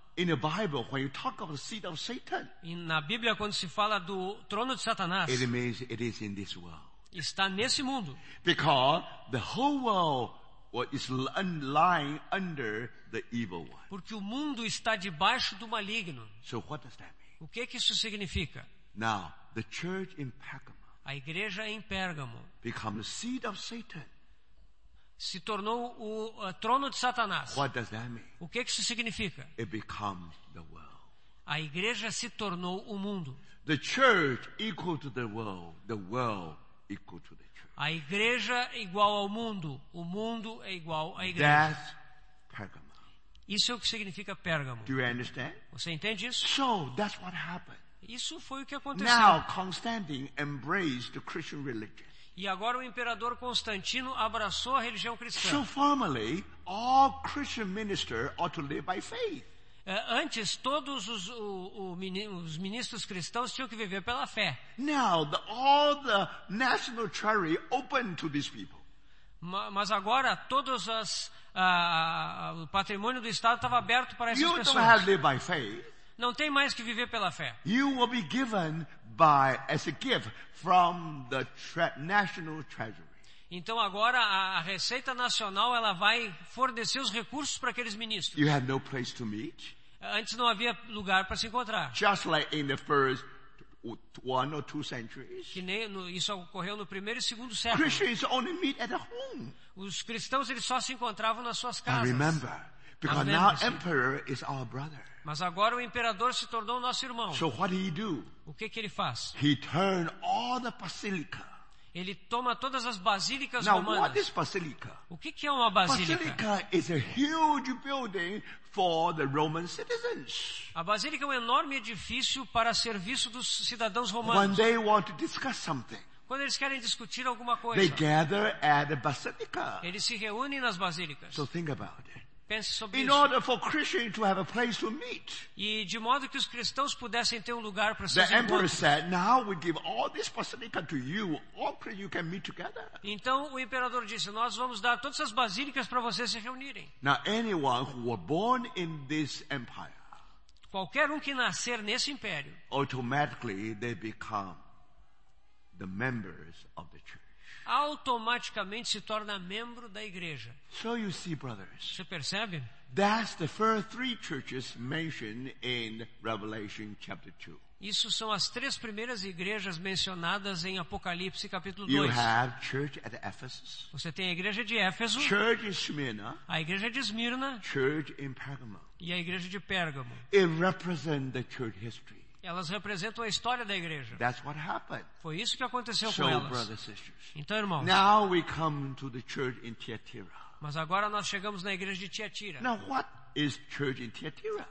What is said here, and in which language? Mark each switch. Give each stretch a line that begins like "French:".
English: In the Bible, when you talk of the seat of Satan,
Portuguese: na Bíblia, quando se fala do trono de Satanás,
English: it means it is in this world.
Portuguese: Está nesse mundo.
English: Because the whole world is lying under the evil one.
Portuguese: Porque o mundo está debaixo do maligno.
English: So what does that mean?
Portuguese: O que que isso significa?
English: Now, the church in Pergamum,
Portuguese: a igreja em Pérgamo,
English: become the seat of Satan.
Portuguese: Se tornou o trono de Satanás.
English: What does that mean?
Portuguese: O que isso significa?
English: It becomes the world.
Portuguese: A igreja se tornou o mundo.
English: The church equal to the world, the world equal to the church.
Portuguese: A igreja igual ao mundo, o mundo é igual à igreja.
English: That's Pergamum.
Portuguese: Isso é o que significa Pérgamo.
English: Do you understand?
Portuguese: Você entende isso?
English: So that's what happened.
Portuguese: Isso foi o que aconteceu.
English: Now Constantine embraced the Christian religion.
Portuguese: E agora o imperador Constantino abraçou a religião cristã.
English: So formerly, all Christian ministers ought to live by faith.
Portuguese: Antes, todos os ministros cristãos tinham que viver pela fé.
English: Now, all the national treasury open to these people.
Portuguese: Mas agora, todos as o patrimônio do Estado estava aberto para essas
English: you
Portuguese: pessoas.
English: Don't have to live by faith.
Portuguese: Não tem mais que viver pela fé.
English: You will be given by as a gift from the national treasury.
Portuguese: Então agora a Receita Nacional ela vai fornecer os recursos para aqueles ministros.
English: You had no place to meet.
Portuguese: Antes não havia lugar para se encontrar.
English: Just like in the first one or two centuries.
Portuguese: Que nem isso ocorreu no primeiro e segundo século.
English: Christians only meet at home.
Portuguese: Os cristãos eles só se encontravam nas suas casas.
English: And remember, because now emperor is our brother.
Portuguese: Mas agora o imperador se tornou nosso irmão.
English: So what he do?
Portuguese: O que ele faz?
English: He turned all the basilica.
Portuguese: Ele toma todas as basílicas
English: now,
Portuguese: romanas.
English: Now what is basilica?
Portuguese: O que é uma basílica?
English: Basilica is a huge building for the Roman citizens.
Portuguese: A basílica é um enorme edifício para serviço dos cidadãos romanos.
English: When they want to discuss something.
Portuguese: Quando eles querem discutir alguma coisa.
English: They gather at the basilica.
Portuguese: Eles se reúnem nas basílicas.
English: So think about it.
Portuguese: Pense sobre
English: in
Portuguese: isso.
English: Order for Christians to have a place to meet.
Portuguese: E de modo que os cristãos pudessem ter um lugar para se encontrar.
English: The emperor said, "Now we give all this basilica to you. All Christians you can meet together."
Portuguese: Então o imperador disse, "Nós vamos dar todas as basílicas para vocês se reunirem."
English: Now anyone who was born in this empire.
Portuguese: Qualquer um que nascer nesse império.
English: Automatically they become the members of the church.
Portuguese: Automaticamente se torna membro da igreja.
English: So you see, brothers,
Portuguese: você percebe?
English: That's the first three churches mentioned in Revelation chapter 2.
Portuguese: Isso são as três primeiras igrejas mencionadas em Apocalipse capítulo 2.
English: You have church at Ephesus.
Portuguese: Você tem a igreja de Éfeso.
English: Church in Smyrna.
Portuguese: A igreja de Esmirna.
English: Church in Pergamum.
Portuguese: E a igreja de Pérgamo.
English: It represents the church history.
Portuguese: Elas representam a história da igreja.
English: That's what happened.
Portuguese: Foi isso que aconteceu
English: so,
Portuguese: com elas.
English: Brothers, sisters,
Portuguese: então, irmãos.
English: Now we come to the church in Thyatira.
Portuguese: Mas agora nós chegamos na igreja de Tiatira.
English: Now what is church in Tiatira?